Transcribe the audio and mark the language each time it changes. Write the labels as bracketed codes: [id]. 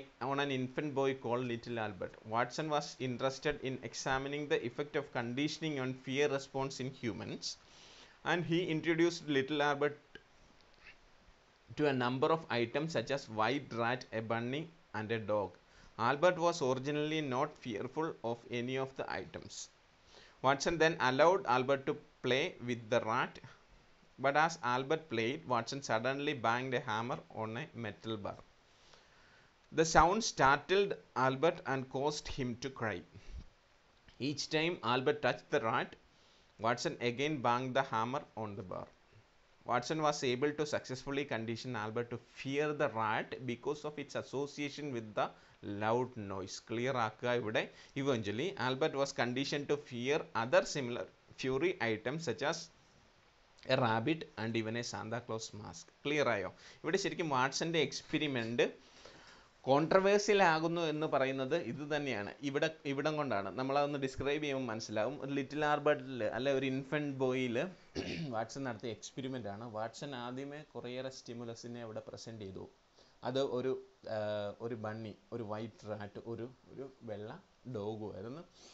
[en] On an infant boy call little Albert Watson was interested in examining the effect of conditioning on fear response in humans and he introduced little Albert to a number of items such as white rat, a bunny and a dog. Albert was originally not fearful of any of the items. Watson then allowed Albert to play with the rat. But as Albert played, Watson suddenly banged a hammer on a metal bar. The sound startled Albert and caused him to cry. Each time Albert touched the rat, Watson again banged the hammer on the bar. Watson was able to successfully condition Albert to fear the rat because of its association with the loud noise. [ml] Clear akka ivide. [en] Eventually, Albert was conditioned to fear other similar fury items such as a rabbit and even a Santa Claus mask. [ml] ക്ലിയറായോ? ഇവിടെ ശരിക്കും വാട്സൻ്റെ experiment controversial ആകുന്നു എന്ന് പറയുന്നത് ഇത് തന്നെയാണ്. ഇവിടം കൊണ്ടാണ് നമ്മളതൊന്ന് describe ചെയ്യുമ്പോൾ മനസ്സിലാവും. ഒരു ലിറ്റിൽ ആർബർട്ടിൽ അല്ലെ ഒരു ഇൻഫൻറ്റ് ബോയിൽ വാട്സൺ നടത്തിയ എക്സ്പെരിമെൻ്റാണ്. വാട്സൺ ആദ്യമേ കുറേയേറെ സ്റ്റിമുലസിനെ അവിടെ പ്രസൻറ്റ് ചെയ്തു. അത് ഒരു ഒരു ബണ്ണി, ഒരു വൈറ്റ് റാറ്റ്, ഒരു ഒരു വെള്ള ഡോഗുമായിരുന്നു.